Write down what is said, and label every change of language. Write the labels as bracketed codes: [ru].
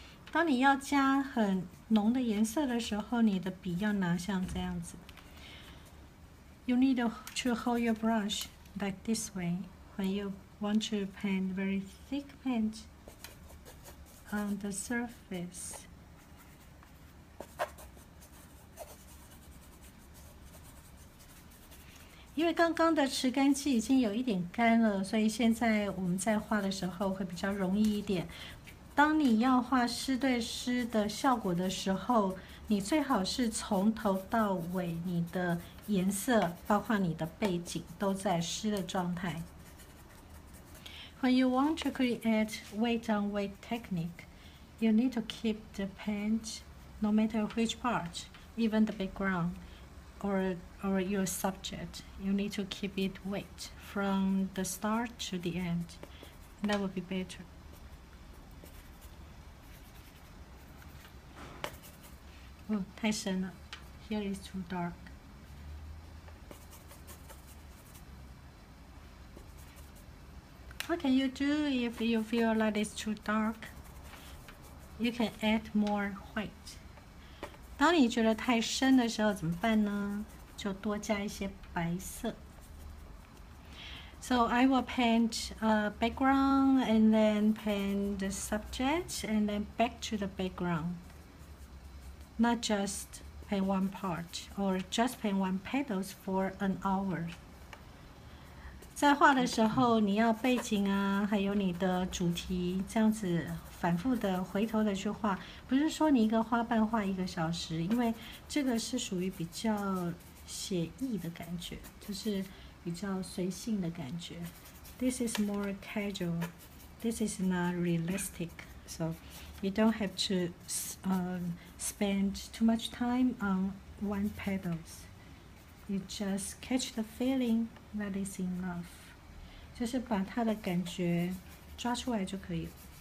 [zh] 当你要加很浓的颜色的时候，你的笔要拿像这样子。 [en] You need to hold your brush. Like this way, when you want to paint very thick paint on the surface. [zh] 因为刚刚的持干剂已经有一点干了，所以现在我们在画的时候会比较容易一点。当你要画湿对湿的效果的时候，你最好是从头到尾，你的颜色包括你的背景都在湿的状态。 [en] When you want to create wet on wet technique, you need to keep the paint, no matter which part, even the background or your subject, you need to keep it wet from the start to the end. That would be better. [zh] 哦，太深了， [en] Here is too dark. What can you do if you feel like it's too dark? You can add more white. [zh] 当你觉得太深的时候怎么办呢？就多加一些白色。 [en] So I will paint a background and then paint the subject and then back to the background. Not just paint one part or just paint one petals for an hour. [zh] 在画的时候，你要背景啊，还有你的主题，这样子反复的回头的去画，不是说你一个花瓣画一个小时，因为这个是属于比较写意的感觉，就是比较随性的感觉。 [en] This is more casual. This is not realistic. So you don't have to spend too much time on one petals. You just catch the feeling that is enough. [zh] 就是把它的感觉抓出来就可以了。